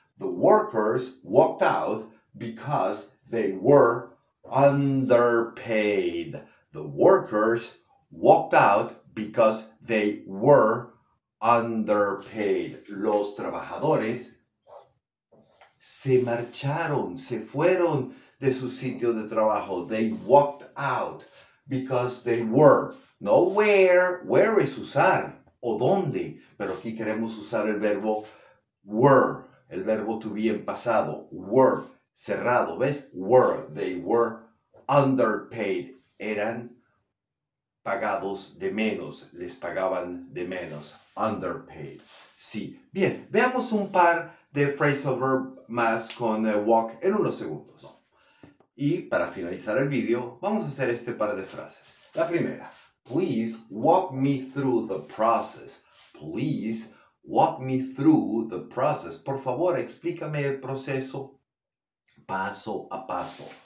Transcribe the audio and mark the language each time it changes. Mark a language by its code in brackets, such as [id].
[en] The workers walked out because they were underpaid. The workers walked out because they were underpaid. [es] Los trabajadores se marcharon, se fueron de su sitio de trabajo. [en] They walked out because they were. [es] No where. Where es usar o dónde. Pero aquí queremos usar el verbo were, el verbo to be en pasado, were, cerrado, ¿ves? [en] Were, they were underpaid, [es] eran pagados de menos, les pagaban de menos, [en] underpaid, [es] sí. Bien, veamos un par de phrasal verbs más con walk en unos segundos. Y para finalizar el video, vamos a hacer este par de frases. La primera, [en] please walk me through the process, please walk me through the process. [es] Por favor, explícame el proceso paso a paso.